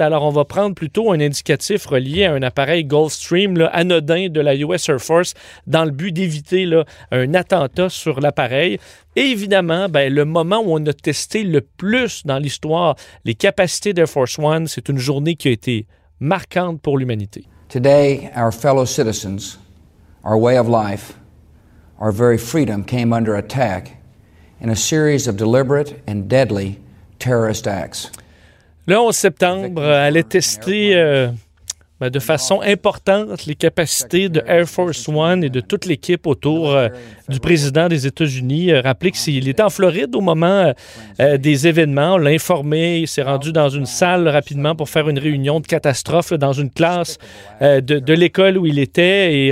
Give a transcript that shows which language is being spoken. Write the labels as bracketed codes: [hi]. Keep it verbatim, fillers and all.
[fr] Alors on va prendre plutôt un indicatif relié à un appareil Gulfstream là, anodin de la U S Air Force dans le but d'éviter là, un attentat sur l'appareil. Et évidemment, ben, le moment où on a testé le plus dans l'histoire les capacités d'Air Force One, c'est une journée qui a été marquante pour l'humanité. [en] Today, our fellow citizens, our way of life, our very freedom came under attack in a series of deliberate and deadly terrorist acts. [fr] Le onze septembre allait tester euh, ben, de façon importante les capacités de Air Force One et de toute l'équipe autour euh, du président des États-Unis. Rappelez qu'il était en Floride au moment euh, des événements. On l'a informé, il s'est rendu dans une salle rapidement pour faire une réunion de catastrophe là, dans une classe euh, de, de l'école où il était.